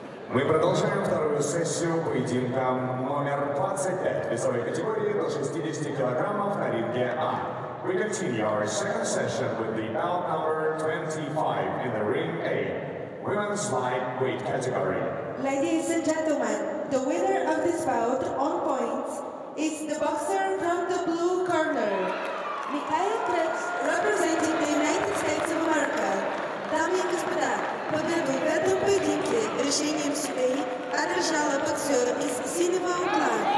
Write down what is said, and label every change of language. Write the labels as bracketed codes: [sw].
[ru] Мы продолжаем вторую сессию поединка номер 25 весовой категории до 60 килограммов на ринге А. [en] We continue our second session with the bout number 25 in the ring A, women's lightweight category. Ladies and gentlemen, the winner of this bout on points is the boxer from the blue corner, Mikhail Krebs, representing the United States of America. [ru] Дамы и господа, победу в этом поединке решением судей одержала боксер из синего угла.